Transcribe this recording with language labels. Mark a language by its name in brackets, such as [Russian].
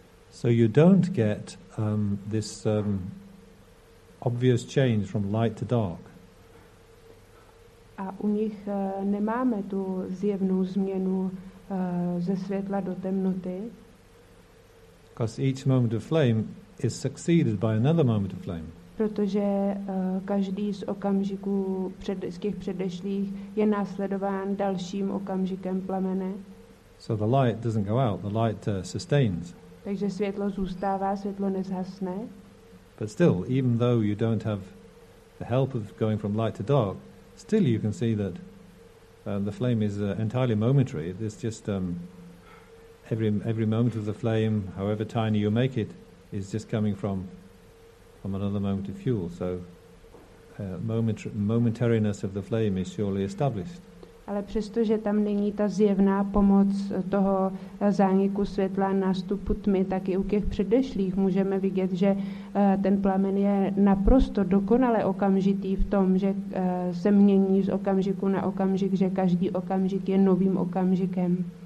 [English] So you don't get this obvious change from light to dark. [Czech] A u nich nemáme tu zjevnou změnu ze světla do temnoty. [English] Because each moment of flame is succeeded by another moment of flame. [Czech] Protože každý z okamžiků z těch předešlých je následován dalším okamžikem plamene. [English] So the light doesn't go out, the light sustains. [Czech] Takže světlo zůstává, světlo nezhasne. [English] But still, even though you don't have the help of going from light to dark, still you can see that the flame is entirely momentary. It's just every moment of the flame, however tiny you make it, is just coming from another moment of fuel. So momentariness of the flame is surely established. [Czech] Ale přestože tam není ta zjevná pomoc toho zániku světla, nástupu tmy, tak i u těch předešlých můžeme vidět, že ten plamen je naprosto dokonale okamžitý v tom, že se mění z okamžiku na okamžik, že každý okamžik je novým okamžikem.